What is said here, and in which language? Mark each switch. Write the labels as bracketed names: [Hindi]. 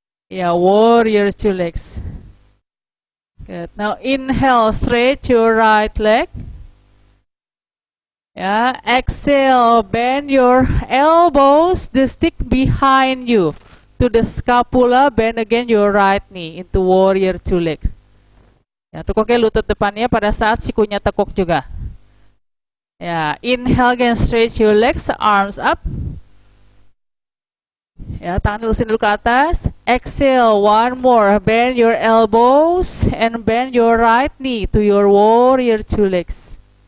[English] Yeah, warrior two legs. Good, now inhale, stretch your right leg. Yeah, exhale, bend your elbows, the stick behind you. To the scapula, bend again your right knee into warrior two legs. [Indonesian] Ya, tekuknya lutut depannya pada saat sikunya tekuk juga. [English] Ya, inhale again, stretch your legs, arms up. Ya, [Indonesian] tangan lurusin dulu ke atas. [English] Exhale, one more, bend your elbows and bend your right knee to your warrior two legs.